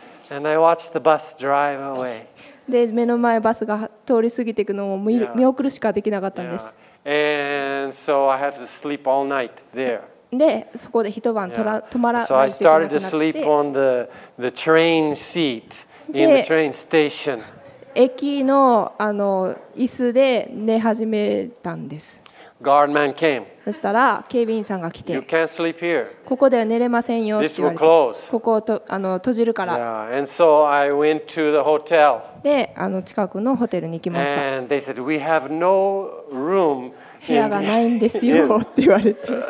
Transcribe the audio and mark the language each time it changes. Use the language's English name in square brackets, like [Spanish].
[English] And I watched the bus drive away. [Japanese] で目の前バスが通り過ぎていくのを見送るしかできなかったんです。 [English] And so I had to sleep all night there. [Japanese] でそこで一晩泊まらないといけなくなって。 [English] So I started to sleep on the train seat in the train station. [Japanese] 駅の、あの、椅子で寝始めたんです。 [English] Guard man came. [Japanese] そしたら警備員さんが来て、 [English] You can't sleep here. [Japanese] ここでは寝れませんよって言われて、 [English] This will close. [Japanese] ここをと、あの、閉じるから。 [English] Yeah. And so I went to the hotel. [Japanese] で、あの、近くのホテルに行きました。 [English] And they said, We have no room. [Japanese] 部屋がないんですよって言われて